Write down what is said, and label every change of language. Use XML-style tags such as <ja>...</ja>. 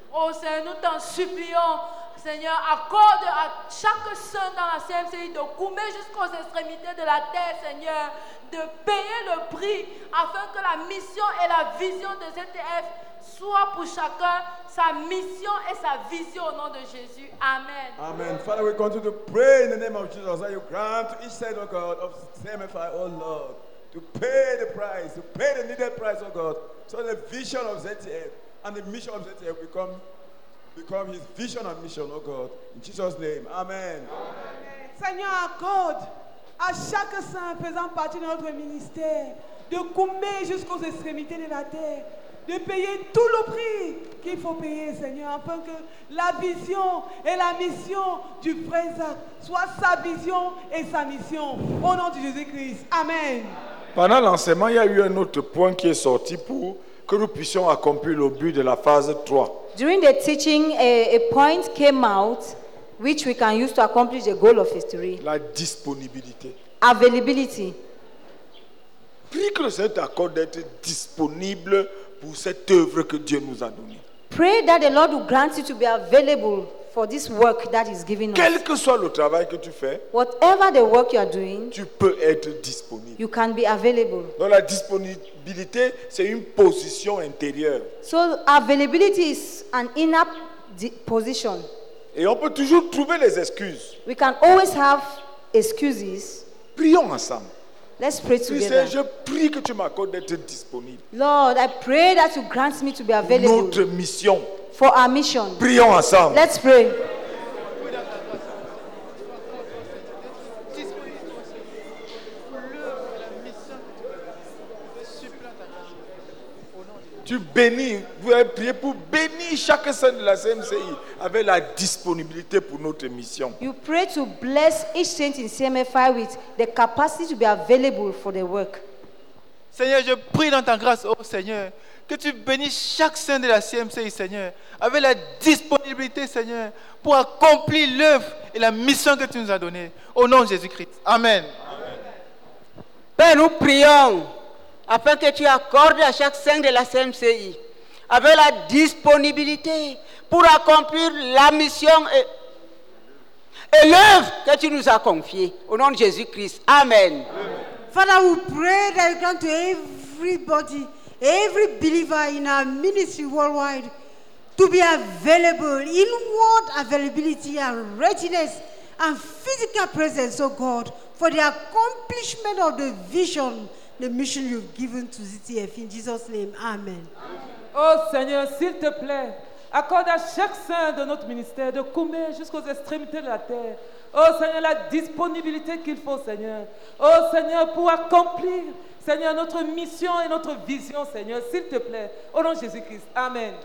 <fr>Oh Seigneur, nous t'en supplions, Seigneur, accorde à chaque saint dans la CMCI de coumer jusqu'aux extrémités de la terre, Seigneur, de payer le prix afin que la mission et la vision de ZTF soient pour chacun sa mission et sa vision au nom de Jésus. Amen. Amen.</fr> <en>Father, we continue to pray in the name of Jesus that you grant to each saint, O God, of CMFI, O Lord, to pay the price, to pay the needed price, O God, so the vision of ZTF and the mission of ZTF become his vision and mission, oh God. In Jesus' name, amen. Amen.</en> <fr>Seigneur, accorde à chaque saint faisant partie de notre ministère de coumer jusqu'aux extrémités de la terre, de payer tout le prix qu'il faut payer, Seigneur, afin que la vision et la mission du frère Zach soient sa vision et sa mission. Au nom de Jésus-Christ. Amen. Pendant l'enseignement, il y a eu un autre point qui est sorti pour que nous puissions accomplir le but de la phase 3.</fr> <en>During the teaching, a point came out which we can use to accomplish the goal of phase 3.</en> <fr>La disponibilité.</fr> <en>Availability.</en> <fr>Prie que le Seigneur t'accorde d'être disponible pour cette œuvre que Dieu nous a donnée.</fr> <en>Pray that the Lord will grant you to be available for this work that is given us.</en> <fr>Quel que soit le travail que tu fais,</fr> <en>whatever the work you are doing,</en> <fr>tu peux être disponible.</fr> <en>You can be available.</en> <fr>Donc la disponibilité, c'est une position intérieure.</fr> <en>So availability is an inner position.</en> <fr>Et on peut toujours trouver les excuses.</fr> <en>We can always have excuses.</en> <fr>Prions ensemble.</fr> <en>Let's pray together.</en> <fr>Tu sais, je prie que tu m'accordes d'être disponible.</fr> <en>Lord, I pray that you grant me to be available.</en> <fr>Notre mission.</fr> <en>For our mission.</en> <fr>Prions ensemble.</fr> <en>Let's pray.</en> <fr>Tu bénis, vous avez prié pour bénir chaque sein de la CMCI avec la disponibilité pour notre mission.</fr> <en>You pray to bless each saint in CMFI with the capacity to be available for the work.</en> <fr>Seigneur, je prie dans ta grâce, oh Seigneur, que tu bénis chaque saint de la CMCI, Seigneur, avec la disponibilité, Seigneur, pour accomplir l'œuvre et la mission que tu nous as donnée. Au nom de Jésus-Christ. Amen. Amen. Père, nous prions afin que tu accordes à chaque saint de la CMCI avec la disponibilité pour accomplir la mission et l'œuvre que tu nous as confiée. Au nom de Jésus-Christ. Amen.</fr> <en>Father, we pray that you grant to everybody, every believer in our ministry worldwide to be available in word availability and readiness and physical presence, oh God, for the accomplishment of the vision, the mission you've given to ZTF. In Jesus' name, amen. Amen.</en> <fr>Oh Seigneur, s'il te plaît, accorde à chaque saint de notre ministère, de Koumé jusqu'aux extrémités de la terre, oh Seigneur, la disponibilité qu'il faut, Seigneur. Oh Seigneur, pour accomplir, Seigneur, notre mission et notre vision, Seigneur, s'il te plaît, au nom de Jésus-Christ, amen.</fr>